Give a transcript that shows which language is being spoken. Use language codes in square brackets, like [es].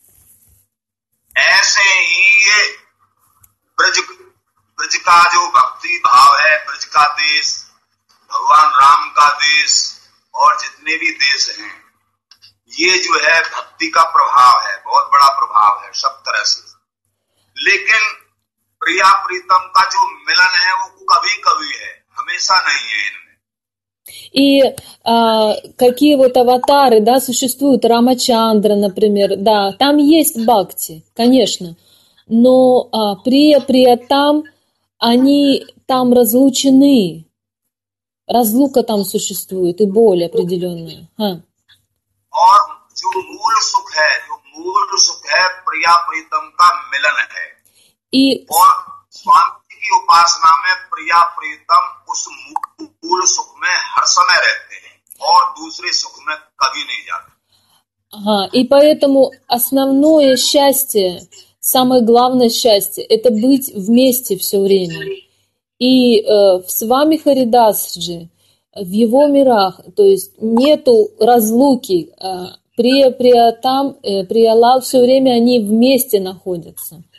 [hi] ऐसे ही ये ब्रज का जो भक्ति भाव है ब्रज का देश भगवान राम का देश और जितने भी देश हैं ये जो है भक्ति का प्रभाव है बहुत बड़ा प्रभाव है सब तरह से लेकिन प्रिया प्रीतम का जो मिलन है वो कभी-कभी है हमेशा नहीं है इनमें [ru] и какие вот аватары да существуют Рамачандра например да там есть бхакти конечно но приятам они там разлучены разлука там существует и боль определённая [hi] और जो मूल सुख है जो मूल सुख है प्रिया प्रीतम का मिलन है [ru] и [hi] और शांति की उपासना में प्रिया प्रीतम उस मूल सुख में हर समय रहते हैं और दूसरे सुख में कभी नहीं जाते [ru] हां и поэтому основное счастье самое главное счастье это быть вместе всё время и с вами Харидасджи в его мирах, то есть нету разлуки. Приялал всё время они вместе находятся.